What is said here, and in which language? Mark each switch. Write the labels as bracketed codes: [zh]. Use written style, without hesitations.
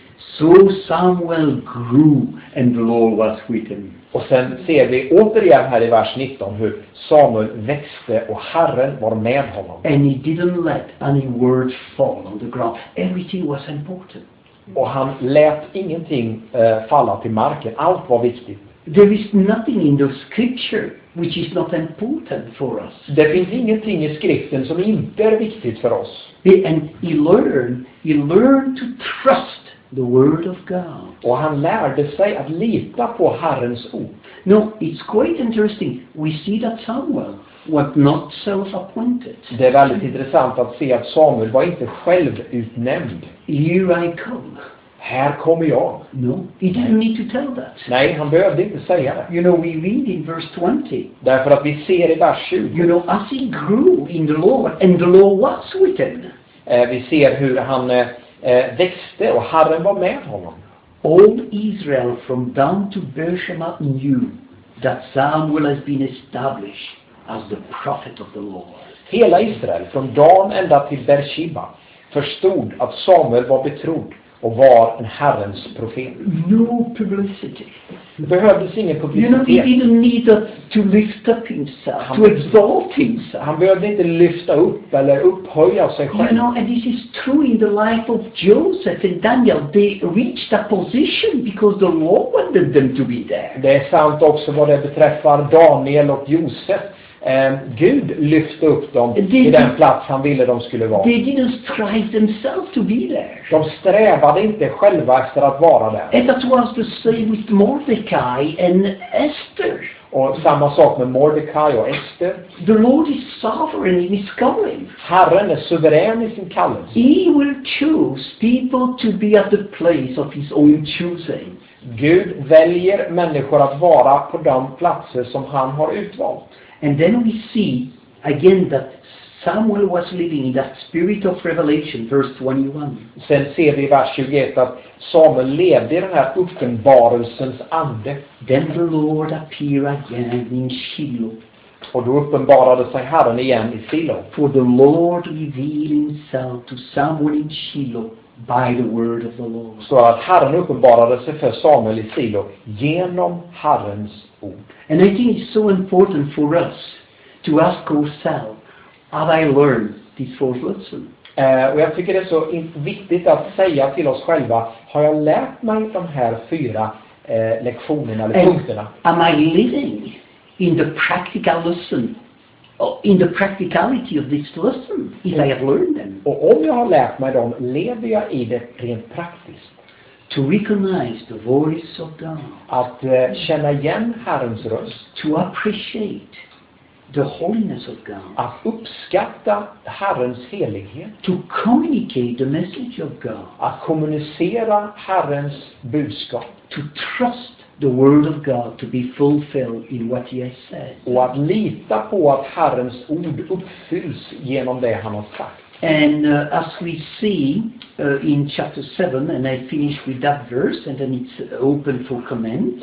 [en] So Samuel grew, and the Lord was with him. [sv] Och sen ser vi återigen här i vers 19 hur Samuel växte och Herren var med honom. [en] And he didn't let any word fall on the ground. Everything was important. [sv] Och han lät ingenting falla till marken. Allt var viktigt. [en] There is nothing in the scripture which is not important for us. [sv] Det finns ingenting i skriften som inte är viktigt för oss. [en] And he learned to trust the word of God. [sv] Och han lärde sig att lita på Herrens ord. [en] Now, it's quite interesting. We see that Samuel was not self-appointed. [sv] Det är väldigt intressant att se att Samuel var inte självutnämnd. [en] Here I come. [sv] Här kommer jag. [en] No, he didn't need to tell that. [sv] Nej, han behövde inte säga det. [en] You know, we read in verse 20. [sv] Därför att vi ser i vers 20. [en] You know, as he grew in the Lord, and the Lord was with him. [sv] Vi ser hur han växte och Herren var med honom. [en] All Israel from Dan to Beersheba knew that Samuel has been established as the prophet of the Lord. [sv] Hela Israel från Dan ända till Beersheba förstod att Samuel var betrodd och var en Herrens profet. [en] No publicity. [sv] Det behövdes ingen publicitet. [en] You know, he didn't need to lift up himself, to exalt himself. [sv] Han behövde inte lyfta upp eller upphöja sig själv. [en] You know, and this is true in the life of Joseph and Daniel. They reached a position because the Lord wanted them to be there. [sv] Det är sant också vad det beträffar Daniel och Josef. Gud lyfte upp dem till den plats han ville de skulle vara. [en] They didn't strive themselves to be there. [sv] De strävade inte själva efter att vara där. [en] And that was the same with Mordecai and Esther. [sv] Och samma sak med Mordecai och Esther. [en] The Lord is sovereign in his calling. [sv] Herren är suverän i sin kallelse. [en] He will choose people to be at the place of his own choosing. [sv] Gud väljer människor att vara på de platser som han har utvalt. [en] And then we see again that Samuel was living in that spirit of revelation, verse 21. [sv] Sen ser vi i vers 21 att Samuel levde i den här uppenbarelsens ande. [en] Then the Lord appeared again in Shiloh. [sv] Och då uppenbarade sig Herren igen i Shiloh. [en] For the Lord revealed himself to Samuel in Shiloh by the word of the Lord. [sv] Så att Herren uppenbarade sig för Samuel i Shiloh genom Herrens ord. [en] And I think it's so important for us to ask ourselves, have I learned these four lessons? [sv] Och jag tycker det är så viktigt att säga till oss själva, har jag lärt mig de här fyra lektionerna eller punkterna? [en] Am I living in the practical lesson? In the practicality of this lesson, if I have learned them. [sv] Och om jag har lärt mig dem, lever jag i det rent praktiskt. [en] To recognize the voice of God. [sv] Att känna igen Herrens röst. [en] To appreciate the holiness of God. [sv] Att uppskatta Herrens helighet. [en] To communicate the message of God. [sv] Att kommunicera Herrens budskap. [en] To trust the word of God to be fulfilled in what he has said. [sv] Och att lita på att Herrens ord uppfylls genom det han har sagt. [en] And as we see in chapter 7, and I finish with that verse, and then it's open for comment.